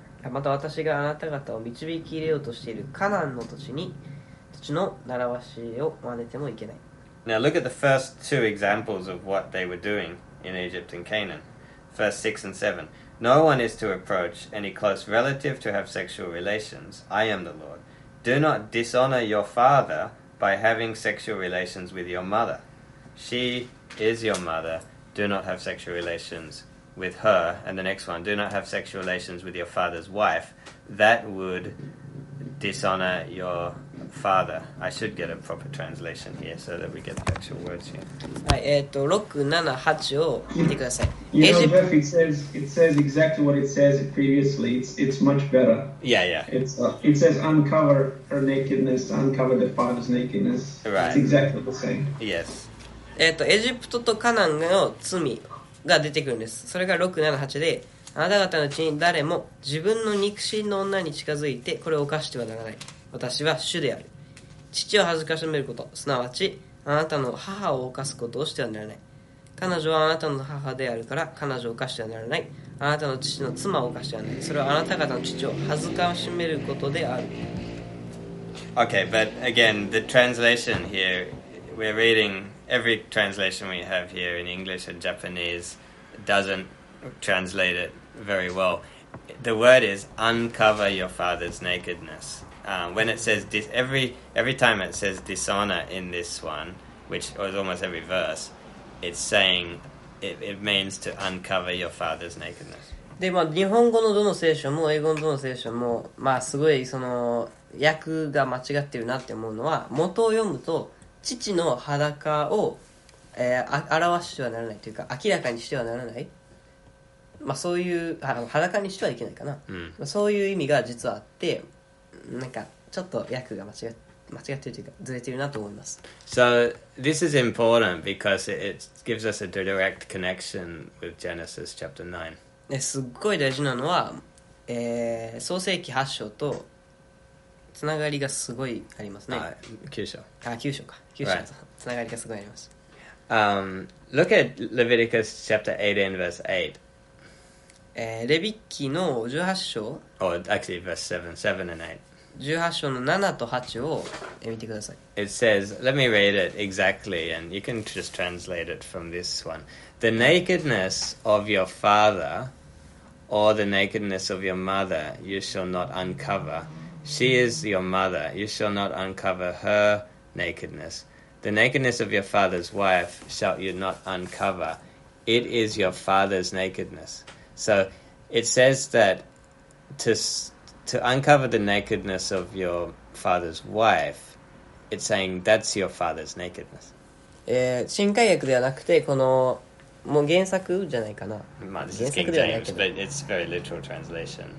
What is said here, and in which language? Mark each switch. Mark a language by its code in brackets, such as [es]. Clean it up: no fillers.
[ja] また私があなた方を導き入れようとしているカナンの土地の習わしを真似てもいけない。 [en] Now look at the first two examples of what they were doing in Egypt and Canaan. Verse 6 and 7. No one is to approach any close relative to have sexual relations. I am the Lord. Do not dishonor your father by having sexual relations with your mother. She is your mother. Do not have sexual relations with her. And the next one, do not have sexual relations with your father's wife. That would dishonor your father. I should get a proper translation here so that we get the actual words here. [ja] はい、6、7、8を見てください。 [en] You know, Jeff, it says exactly what it says previously. It's much better. Yeah, yeah. It says uncover her nakedness, uncover the father's nakedness. Right. It's exactly the same. Yes. [ja] エジプトとカナンの罪が出てくるんです。それが6、7、8で、あなた方のうちに誰も自分の肉親の女に近づいてこれを犯してはならない。私は主である。父を恥ずかしめること、すなわちあなたの母を犯すことをしてはならない。彼女はあなたの母であるから彼女を犯してはならない。あなたの父の妻を犯してはならない。それはあなた方の父を恥ずかしめることである。 [en] Okay, but again, the translation here, we're reading every translation we have here in English and Japanese doesn't translate it very well. the word is uncover your father's nakedness. When it says every time it says dishonor in this one, which is almost every verse, it's saying it means to uncover your father's nakedness. [ja] で、まあ、日本語のどの聖書も英語のどの聖書も、まあ、すごいその訳が間違ってるなって思うのは、元を読むと父の裸を、表してはならないというか明らかにしてはならない、まあ、そういう裸にしてはいけないかな、うん、そういう意味が実はあって、なんかちょっと訳が間違ってるというかずれてるなと思います。 [en] So this is important because it gives us a direct connection with Genesis chapter 9. [ja] すっごい大事なのは、創世記8章とつながりがすごいありますね。 9章つながりがすごいあります。 [en] Look at Leviticus chapter 18 verse 8. [ja] レビ記の18章 [en] Oh, actually verse 7 and 8. 18 [ja] 章の7と8を見てください。 [en] It says, let me read it exactly and you can just translate it from this one. The nakedness of your father or the nakedness of your mother you shall not uncover. She is your mother. You shall not uncover her nakedness. The nakedness of your father's wife shall you not uncover. It is your father's nakedness. So it says that to uncover the nakedness of your father's wife, it's saying that's your father's nakedness. [ja] 新改訳ではなくてこのもう原作じゃないかな。 [en] まあ、this is King James, but it's very literal translation.